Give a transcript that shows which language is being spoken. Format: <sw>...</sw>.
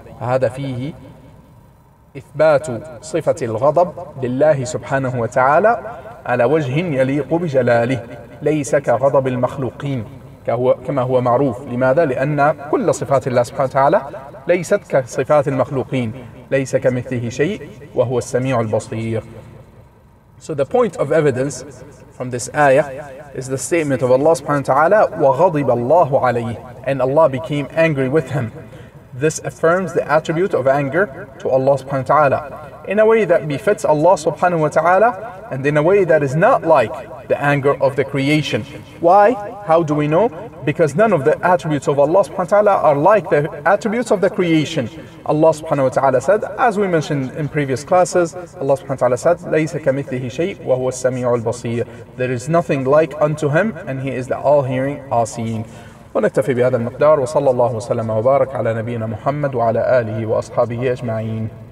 <ar>هذا فيه إثبات صفة الغضب لله سبحانه وتعالى على وجه يليق بجلاله ليس كغضب المخلوقين كما هو معروف. لماذا؟ لأن كل صفات الله سبحانه وتعالى ليست كصفات المخلوقين، ليس كمثله شيء، وهو السميع البصير.</ar> <en>So the point of evidence from this ayah is the statement of Allah subhanahu wa ta'ala,</en> <ar>وَغَضِبَ اللَّهُ عَلَيْهِ,</ar> <en>and Allah became angry with him. This affirms the attribute of anger to Allah subhanahu wa ta'ala in a way that befits Allah subhanahu wa ta'ala and in a way that is not like the anger of the creation. Why? How do we know? Because none of the attributes of Allah subhanahu wa ta'ala are like the attributes of the creation. Allah subhanahu wa ta'ala said, as we mentioned in previous classes, Allah subhanahu wa ta'ala said,</en> <ar>لَيْسَ كَمِثْلِهِ شَيْءٍ وَهُوَ السَّمِيعُ الْبَصِيرُ.</ar> <en>There is nothing like unto him, and he is the all-hearing, all-seeing.</en> <ar>ونكتفي بهذا المقدار، وصلى الله وسلم وبارك على نبينا محمد وعلى آله وأصحابه أجمعين.</ar>